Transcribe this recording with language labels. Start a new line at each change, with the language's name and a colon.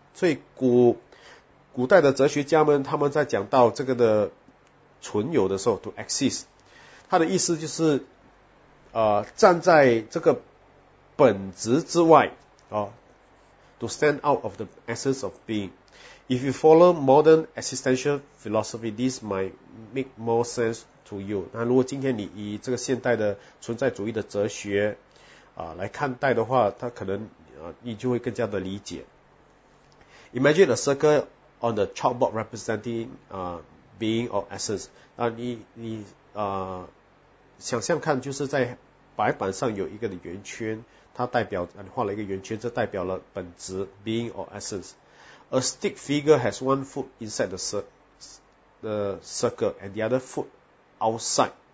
Chinese: 所以古代的哲学家们他们在讲到这个的存有的时候
English: to exist,
Chinese: 他的意思就是站在这个本质之外
English: To stand out of the essence of being. If you follow modern existential philosophy, this might make more sense to you.
Chinese: 那如果今天你以这个现代的存在主义的哲学来看待的话，它可能你就会更加的理解。
English: Imagine a circle on the chalkboard representing being or essence.
Chinese: 那你想象看，就是在白板上有一个圆圈。它代表你画了一个圆圈，这代表了本质
English: being or essence. A stick figure has one foot inside the circle and the other foot outside.